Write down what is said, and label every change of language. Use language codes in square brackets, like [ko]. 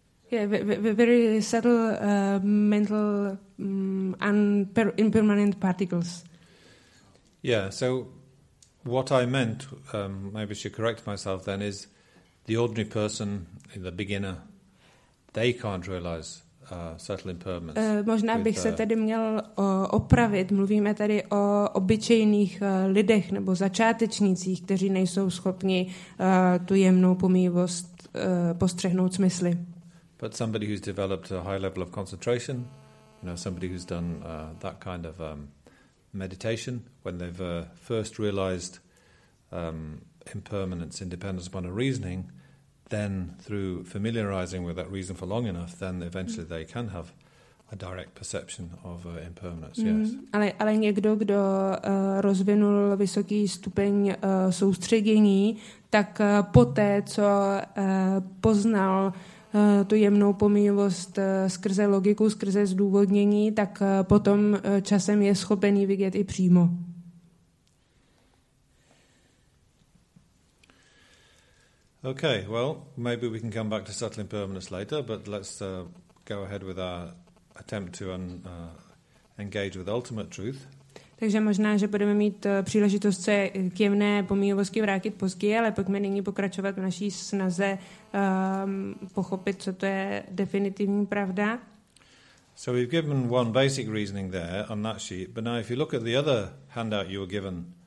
[en] Yeah, very subtle mental and impermanent particles. Yeah, so what I meant, maybe I should correct myself then, is the ordinary person, the beginner, they can't realize subtle impermanence. [cs] Možná bych se tedy měl opravit, mluvíme tady o obyčejných lidech nebo začátečnících, kteří nejsou schopni tu jemnou pomývost postřehnout smysly. [en] But somebody who's developed a high level of concentration, you know, somebody who's done that kind of meditation, when they've first realized impermanence, independence upon a reasoning, then through familiarizing with that reason for long enough, then eventually they can have a direct perception of impermanence. [cs] Ale někdo, kdo rozvinul vysoký stupeň soustředění, tak poté, co poznal tu jemnou pomíjivost skrze logiku, skrze zdůvodnění, tak potom časem je schopen ji vidět i přímo. [en] Okay, well, maybe we can come back to subtle impermanence later, but let's go ahead with our attempt to engage with ultimate truth. [cs] Takže možná, že budeme mít příležitost se k jemné pomíjivosti vrátit později, ale pojďme nyní pokračovat v naší snaze pochopit, co to je definitivní pravda. [en] So we've given one basic reasoning there on that sheet, but now if you look at the other handout you were given.